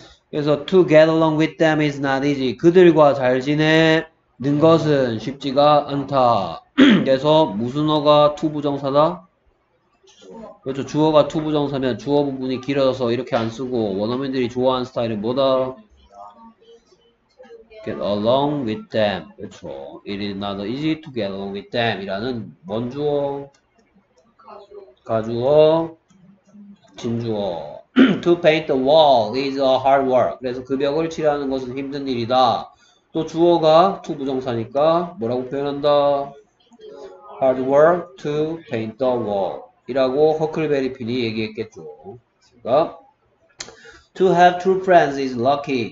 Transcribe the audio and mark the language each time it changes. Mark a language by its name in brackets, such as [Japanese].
[English] 그래서 to get along with them is not easy. [Korean] 그들과 잘 지내. 는 것은 쉽지가 않다. 그래서 무슨 어가 to 부정사다? 그렇죠. 주어가 to 부정사면 주어 부분이 길어져서 이렇게 안 쓰고 원어민들이 좋아하는 스타일은 뭐다? [English] Get along with them. 그렇죠. It is not easy to get along with them. [Korean] 이라는 뭔 주어? 가주어, 진주어. [English] To paint the wall is a hard work. [Korean] 그래서 그 벽을 칠하는 것은 힘든 일이다. 또 주어가 to 부정사니까 뭐라고 표현한다? [English] Hard work to paint the wall [Korean] 이라고 허클베리 핀이 얘기했겠죠. [English] 그러니까 To have true friends is lucky.